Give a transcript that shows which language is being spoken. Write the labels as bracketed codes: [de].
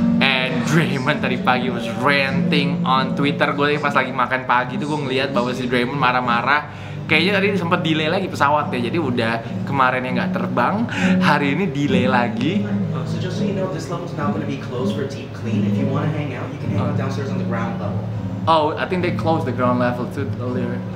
[en] And Draymond [id] tadi pagi [en] was ranting on Twitter. [id] Gue pas lagi makan pagi itu gue ngeliat bahwa si Draymond marah-marah. Kayaknya tadi sempat delay lagi pesawatnya, jadi udah kemarinnya gak terbang, hari ini delay lagi. [en] So just so you know, this level is now going to be closed for deep clean. If you want to hang out, you can hang out downstairs on the ground level. Oh, I think they closed the ground level too earlier.